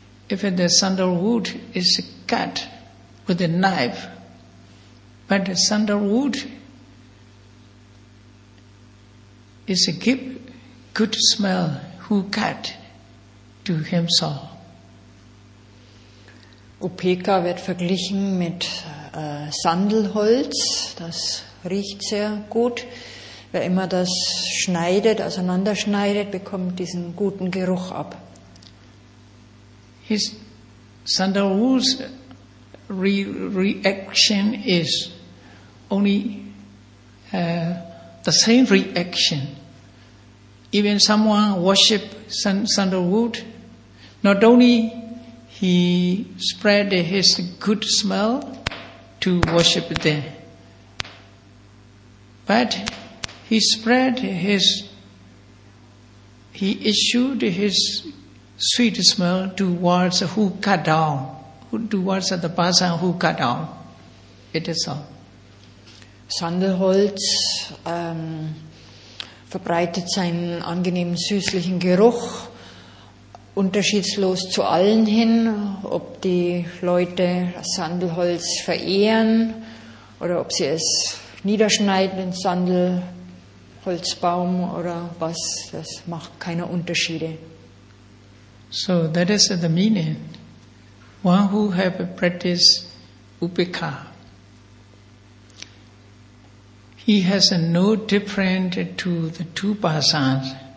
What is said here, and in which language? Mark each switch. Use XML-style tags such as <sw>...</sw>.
<en>If the sandalwood is cut with a knife, but the sandalwood is a good smell, who cut to himself?</en> <de>Upekkha wird verglichen mit Sandelholz, das riecht sehr gut. Wer immer das schneidet, auseinanderschneidet, bekommt diesen guten Geruch ab.</de> <en>His sandalwood's reaction is only the same reaction. Even someone worship sandalwood, not only he spread his good smell to worship them, but he issued his sweet smell towards who cut down, towards the person who cut down. It is all.</en> <de>Sandelholz verbreitet seinen angenehmen süßlichen Geruch unterschiedslos zu allen hin, ob die Leute Sandelholz verehren oder ob sie es niederschneiden in Sandelholzbaum oder was, das macht keine Unterschiede.</de> <en>So, that is the meaning. One who have practiced Upekkha, he has no different to the two persons.</en>